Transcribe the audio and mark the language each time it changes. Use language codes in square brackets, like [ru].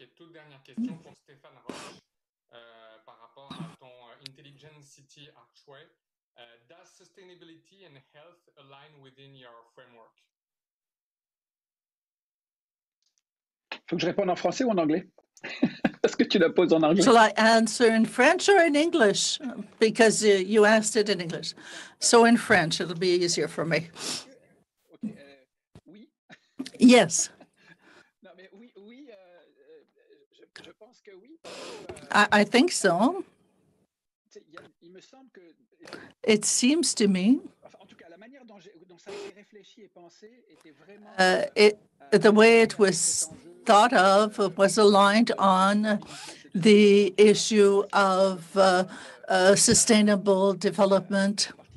[fr] Et toute dernière question pour Stéphane Roche par rapport à ton Intelligent City Archway. [en] Does sustainability and health align within your framework? [fr] Faut que je réponde en français ou en anglais? Parce que tu la poses en anglais. [en] Shall I answer in French or in English? Because you asked it in English. So in French, it'll be easier for me. [fr] Oui. [en] Yes. [fr] Non, mais oui, oui, je pense que oui. [en] I think so. [fr] Il me semble que... [en] It seems to me. [fr] Enfin, en tout cas, la manière dont ça a été réfléchi et pensé était vraiment... [en] The way it was thought of was aligned on the issue of sustainable development,